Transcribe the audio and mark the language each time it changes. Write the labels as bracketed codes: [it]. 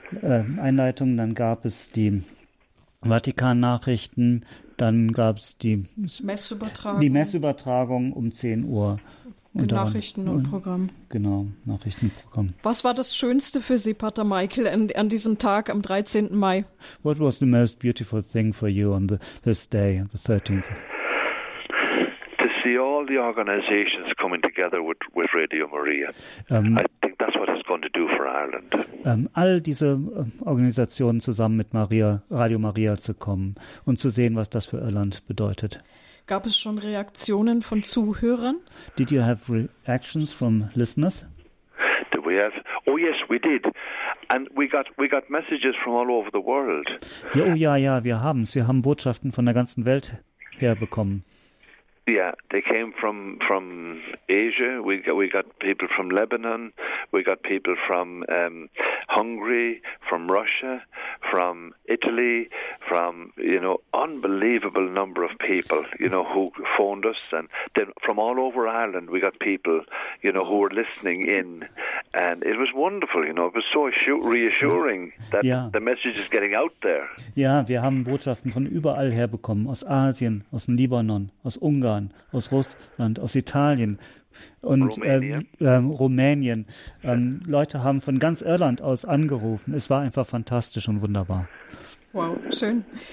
[de] Dann gab es die Vatikan-Nachrichten. Dann gab es die Messübertragung um 10 Uhr. Und Nachrichten daran, und Programm. Genau, Nachrichtenprogramm. Was war das Schönste für Sie, Pater Michael, an diesem Tag am 13. Mai? [en] What was the most beautiful thing for you on this day, the 13th? To see all the organizations coming together with Radio Maria. I think that's what it's going to do for Ireland. [de] All diese Organisationen zusammen mit Radio Maria zu kommen und zu sehen, was das für Irland bedeutet. Gab es schon Reaktionen von Zuhörern? [en] Did you have reactions from listeners? Did we have? Oh yes, we did. And we got messages from all over the world. [de] Ja, oh ja, wir haben es. Wir haben Botschaften von der ganzen Welt herbekommen. [en] Yeah, they came from Asia. We got people from Lebanon. We got people from Hungary, from Russia, from Italy, from, you know, unbelievable number of people, you know, who phoned us. And then from all over Ireland, we got people, you know, who were listening in. And it was wonderful, you know, it was so reassuring that the message is getting out there. [de] Ja, wir haben Botschaften von überall her bekommen, aus Asien, aus dem Libanon, aus Ungarn, aus Russland, aus Italien. Und Rumänien. Leute haben von ganz Irland aus angerufen. Es war einfach fantastisch und wunderbar. Wow, schön.